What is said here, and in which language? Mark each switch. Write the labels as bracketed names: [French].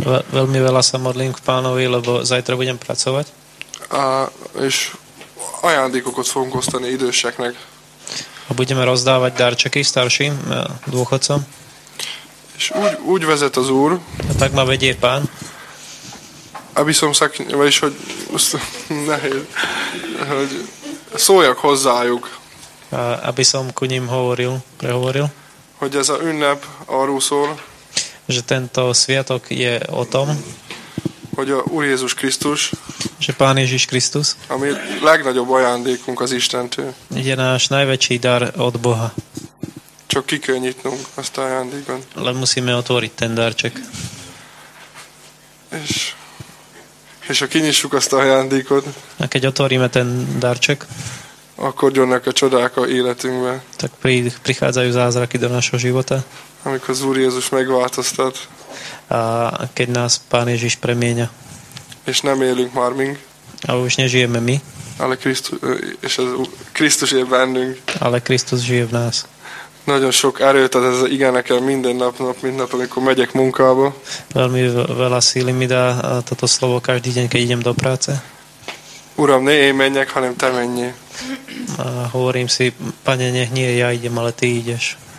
[Slovak] Veľmi veľa sa modlím k pánovi, lebo zajtra budem pracovať. [Hungarian] A és ajándékokat fogunk osztani időseknek. [Slovak] A budeme rozdávať darčeky starším dôchodcom. [Hungarian] És úgy vezet az Úr. [Slovak] A tak ma vedie pán. Aby som sa, [Hungarian] vagyis, hogy, nehéz, hogy szóljak hozzájuk. [Slovak] Aby som ku ním hovoril, prehovoril. [Hungarian] Hogy ez a ünnep arról szól. [Slovak] Že tento sviatok je o tom. [Hungarian] Hogy a Úr Jézus Krisztus. [Slovak] Že Pán Ježiš Krisztus. [Hungarian] Ami legnagyobb ajándékunk az Istentől. [Slovak] Je náš najväčší dar od Boha. [Hungarian] Csak ki kell nyitnunk azt a ajándékon. [Slovak] Le musíme otvoriť ten darček. [Hungarian] És ha kinyissuk azt a ajándékot. [Slovak] A keď otvoríme ten darček. [Hungarian] Akkor jönnek a csodák a életünkbe. [Slovak] Tak prichádzajú zázraky do našho života. [Hungarian] Amikor az Úr Jézus megváltoztat. [Slovak] A keď nás Pán Ježiš premienia. [Hungarian] És nem élünk már mink. [Slovak] A už nežijeme my. [Hungarian] Ale Krisztus, és az Krisztus él bennünk. [Slovak] Ale Krisztus žije v nás. [Hungarian] Nagyon sok erőt ad ez az ige nekem minden nap, amikor megyek munkába. [Slovak] Veľmi veľa síly mi dá toto slovo každý deň, keď idem do práce. [Hungarian] Uram, ne én menjek, hanem te menj. [Slovak] Hovorím si, Pane, nech nie ja idem, ale ty ideš.